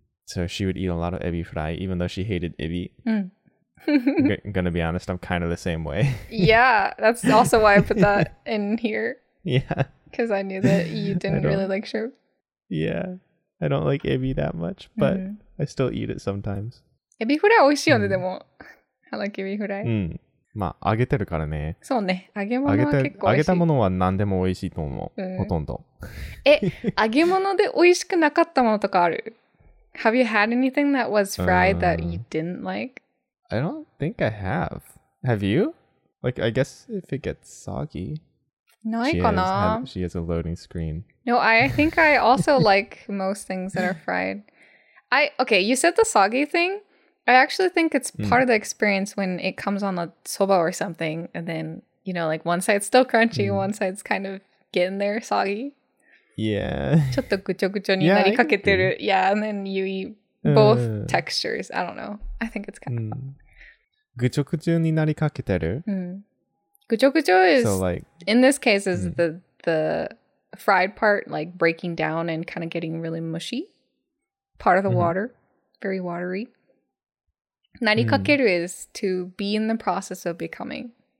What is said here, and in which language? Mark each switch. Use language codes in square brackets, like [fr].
[en] So, she would eat a lot of ebi furai, even though she hated ebi. gonna be honest, I'm kind of the same way. Yeah, that's also why I put that in here. Yeah. Because I knew that you didn't really like shrimp. Yeah, I don't like エビ that much, but mm-hmm. I still eat it sometimes. [ja] エビフライ美味しいよね、でも。 [en] I like エビフライ。 [ja] うん。まあ、揚げてるからね。そうね。揚げ物は結構美味しい。揚げたものは何でも美味しいと思う。うん、ほとんど。え、揚げ物で美味しくなかったものとかある？ [en] Have you had anything that was fried that you didn't like? I don't think I have. Have you? Like, I guess if it gets soggy. [ja] ないかな? [en] She has a loading screen. No, I think I also like most things that are fried. Okay, you said the soggy thing. I actually think it's part of the experience when it comes on the soba or something, and then, you know, like one side's still crunchy, one side's kind of getting there soggy. Yeah. [ja] ちょっとぐちょぐちょになりかけてる. [en] Yeah, and then you eat both textures. I don't know. I think it's kind of fun. [ja] ぐちょぐちょになりかけてる. [en] ぐちょぐちょis, so, like, in this case, is the fried part, like breaking down and kind of getting really mushy. Part of the water, very watery. なりかける is to be in the process of becoming.